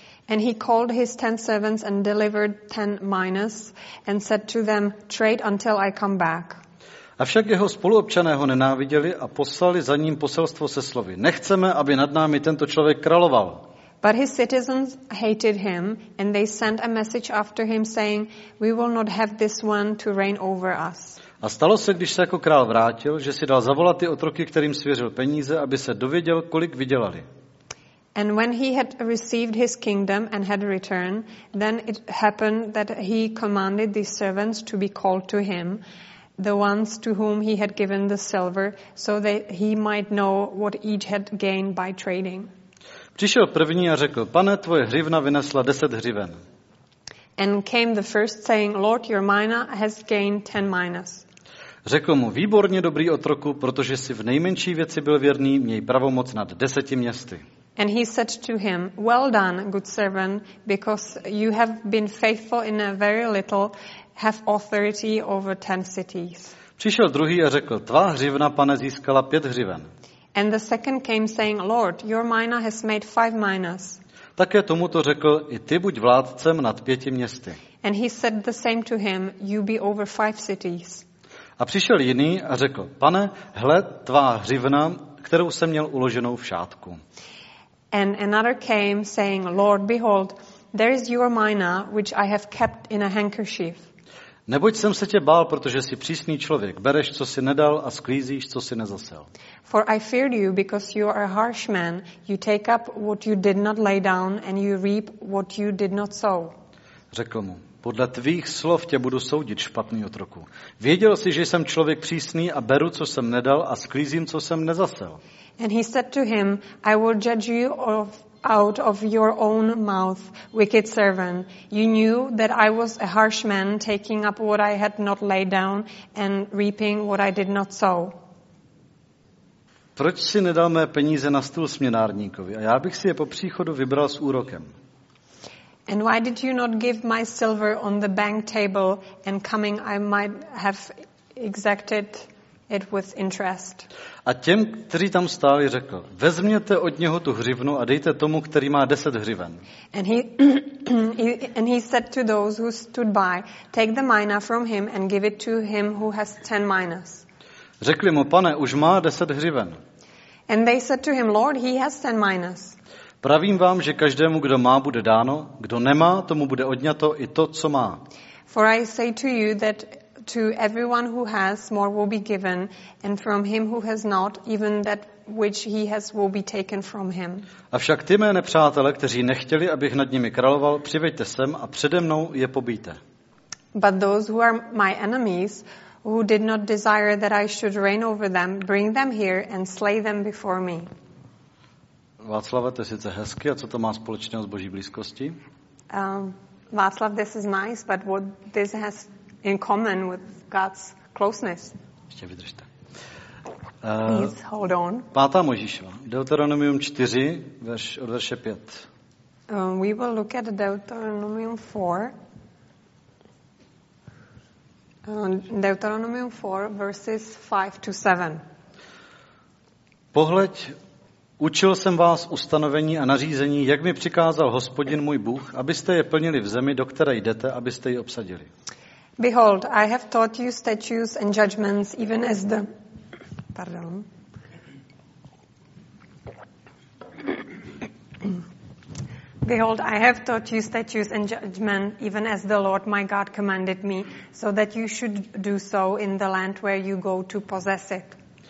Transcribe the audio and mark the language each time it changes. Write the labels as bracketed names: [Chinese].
[English] And he called his 10 servants and delivered 10 minas and said to them, trade until I come back. [Czech] Avšak jeho spoluobčané ho nenáviděli a poslali za ním poselstvo se slovy, nechceme, aby nad námi tento člověk královal. [English] But his citizens hated him and they sent a message after him saying, we will not have this one to reign over us. [Czech] A stalo se, když se jako král vrátil, že si dal zavolat ty otroky, kterým svěřil peníze, aby se dověděl, kolik vydělali. [English] And when he had received his kingdom and had returned, then it happened that he commanded the servants to be called to him, the ones to whom he had given the silver, so that he might know what each had gained by trading. [Czech] Přišel první a řekl, pane, tvoje hřivna vynesla 10 hřiven. [English] And came the first saying, Lord, your mina has gained 10 minas. [Czech] Řekl mu, výborně dobrý otroku, protože jsi v nejmenší věci byl věrný, měj pravomoc nad 10 městy. [English] And he said to him, well done, good servant, because you have been faithful in a very little, have authority over 10 cities. [Czech] Přišel druhý a řekl, tvá hřivna, pane, získala 5 hřiven. [English] And the second came saying, Lord, your mina has made 5 minas. [Czech] Také tomuto řekl, i ty buď vládcem nad 5 městy. [English] And he said the same to him, you be over 5 cities. [Czech] A přišel jiný a řekl, pane, hle, tvá hřivna, kterou jsem měl uloženou v šátku. [English] And another came saying, Lord, behold, there is your mina, which I have kept in a handkerchief. [Czech] Neboť jsem se tě bál, protože jsi přísný člověk. Bereš, co jsi nedal a sklízíš, co jsi nezasel. [English] For I feared you because you are a harsh man. You take up what you did not lay down and you reap what you did not sow. [Czech] Řekl mu, podle tvých slov tě budu soudit, špatný otroku. Věděl jsi, že jsem člověk přísný a beru, co jsem nedal a sklízím, co jsem nezasel. [English] And he said to him, I will judge you of out of your own mouth, wicked servant. You knew that I was a harsh man, taking up what I had not laid down and reaping what I did not sow. [Czech] Proč jsi nedal mé peníze na stůl směnárníkovi? A já bych si je po příchodu vybral s úrokem. [English] And why did you not give my silver on the bank table and coming I might have exacted it with interest. [Czech] A těm, kteří tam stáli, řekl, vezměte od něho tu hřivnu a dejte tomu, který má 10 hřiven. [English] And he said to those who stood by, take the mina from him and give it to him who has 10 minas. [Czech] Řekli mu, pane, už má 10 hřiven. [English] And they said to him, Lord, he has 10 minas. [Czech] Pravím vám, že každému, kdo má, bude dáno, kdo nemá, tomu bude odňato i to, co má. [English] For I say to you that to everyone who has, more will be given, and from him who has not, even that which he has will be taken from him. [Czech] Avšak ty mé nepřátelé, kteří nechtěli, abych nad nimi královal, přiveďte sem a přede mnou je pobijte. [English] But those who are my enemies, who did not desire that I should reign over them, bring them here and slay them before me. [Czech] Václave, to je sice hezky, a co to má společného s Boží blízkostí? [English] Václav, this is nice, but what this has in common with God's closeness. [Czech] Ještě vydržte. [English] Please hold on. [Czech] Pátá Mojžíšova, Deuteronomium 4, verš, od verše 5. [English] We will look at Deuteronomium 4. Deuteronomium 4, verses 5 to 7. [Czech] Pohleď, učil jsem vás ustanovení a nařízení, jak mi přikázal Hospodin můj Bůh, abyste je plnili v zemi, do které jdete, abyste ji obsadili. [English] Behold, I have taught you statutes and judgments, even as the... Pardon. Behold, I have taught you statutes and judgments, even as the Lord my God commanded me, so that you should do so in the land where you go to possess it.